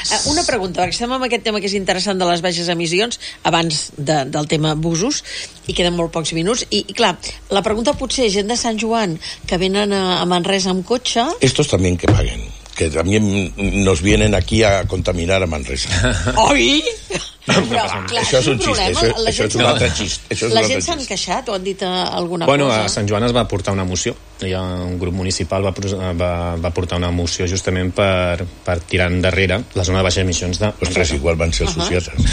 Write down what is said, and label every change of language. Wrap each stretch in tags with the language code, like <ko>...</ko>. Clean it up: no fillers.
<ca>Una pregunta, perquè estem amb aquest tema que és interessant de les baixes emissions, abans del tema busos, i queden molt pocs minuts. I clar, la pregunta potser gent de Sant Joan que venen a Manresa amb cotxe...</ca> <es>Estos también que paguen, que también nos vienen aquí a contaminar a Manresa.</es> <ca>Oi! això és un xist, això és un altre xist. La gent s'ha encaixat o han dit alguna cosa? Bueno, a Sant Joan es va portar una moció, i un grup municipal va portar una moció justament per tirar endarrere la zona de baixes emissions de... Ostres, igual van ser els socials.</ca>